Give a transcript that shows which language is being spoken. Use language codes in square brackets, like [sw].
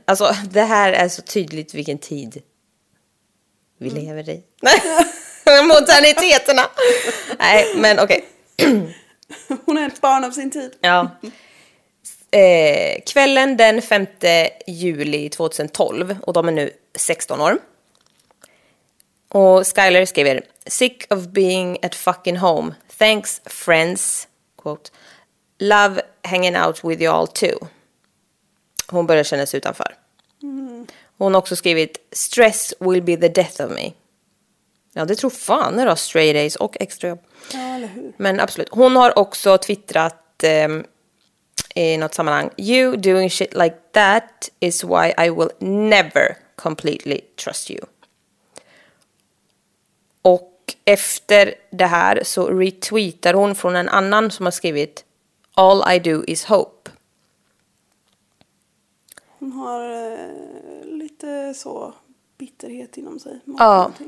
[sv] Alltså, det här är så tydligt vilken tid vi lever i. Moderniteterna! Nej, men okej. [en] Okay. [sv] Hon är ett barn av sin tid. Ja. Kvällen den 5 juli 2012 och de är nu 16 år. Och Skyler skriver, [en] sick of being at fucking home. Thanks, friends. Quote, love hanging out with y'all too. [sv] Hon börjar känna sig utanför. Hon har också skrivit, [en] stress will be the death of me. [sv] Ja, det tror fan är då, stray days och extra jobb. Ja, eller hur? Men absolut. Hon har också twittrat i något sammanhang. [en] You doing shit like that is why I will never completely trust you. [sv] Och efter det här så retweetar hon från en annan som har skrivit, [en] all I do is hope. [sv] Hon har lite så bitterhet inom sig. Ja.